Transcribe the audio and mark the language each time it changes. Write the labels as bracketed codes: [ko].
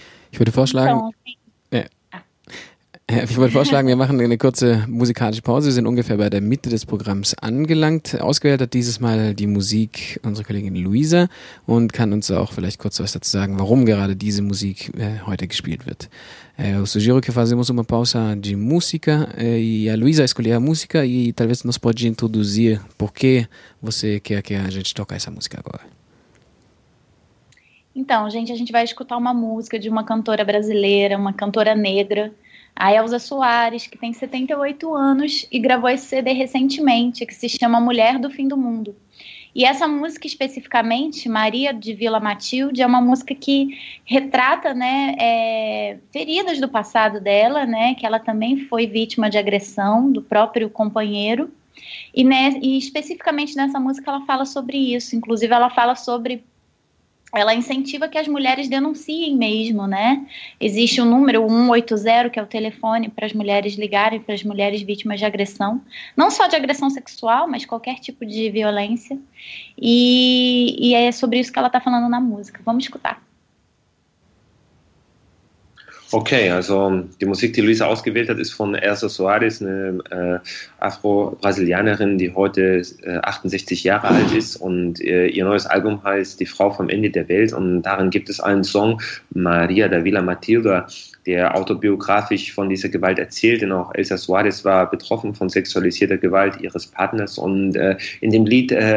[de] Ich würde vorschlagen, wir machen eine kurze musikalische Pause. Wir sind ungefähr bei der Mitte des Programms angelangt. Ausgewählt hat dieses Mal die Musik unsere Kollegin Luisa und kann uns auch vielleicht kurz was dazu sagen, warum gerade diese Musik heute gespielt wird. [pt] Eu sugiro que fazemos uma pausa de música e a Luísa escolher a música e talvez nos pode introduzir por que você quer que a gente toque essa música agora. Então, gente, a gente vai escutar uma música de uma cantora brasileira, uma cantora negra, a Elza Soares, que tem 78 anos e gravou esse CD recentemente, que se chama Mulher do Fim do Mundo. E essa música especificamente, Maria de Vila Matilde, é uma música que retrata, né, feridas do passado dela, né, que ela também foi vítima de agressão do próprio companheiro. E, né, e especificamente nessa música ela fala sobre isso, inclusive ela fala sobre... Ela incentiva que as mulheres denunciem mesmo, né? Existe o número 180, que é o telefone para as mulheres ligarem, para as mulheres vítimas de agressão. Não só de agressão sexual, mas qualquer tipo de violência. E é sobre isso que ela está falando na música. Vamos escutar. [de] Ok, also die Musik, die Luisa ausgewählt hat, ist von Elza Soares, eine Afro-Brasilianerin, die heute 68 Jahre alt ist und ihr neues Album heißt Die Frau vom Ende der Welt und darin gibt es einen Song, Maria da Vila Matilda, der autobiografisch von dieser Gewalt erzählt, denn auch Elza Soares war betroffen von sexualisierter Gewalt ihres Partners und in dem Lied